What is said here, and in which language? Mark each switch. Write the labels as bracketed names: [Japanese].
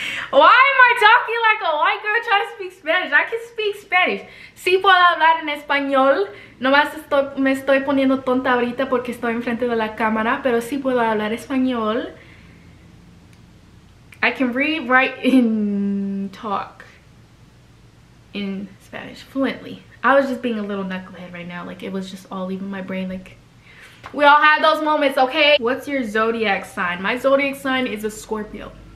[English] Why am I talking like a white girl trying to speak Spanish? I can speak Spanish. [Spanish] Sí puedo hablar en español. Nomás me estoy poniendo tonta ahorita porque estoy enfrente de la cámara, pero sí puedo hablar español. [English] I can read, write, and talk in Spanish fluently. I was just being a little knucklehead right now. Like, it was just all leaving my brain. Like, we all have those moments, okay? What's your zodiac sign? My zodiac sign is a Scorpio.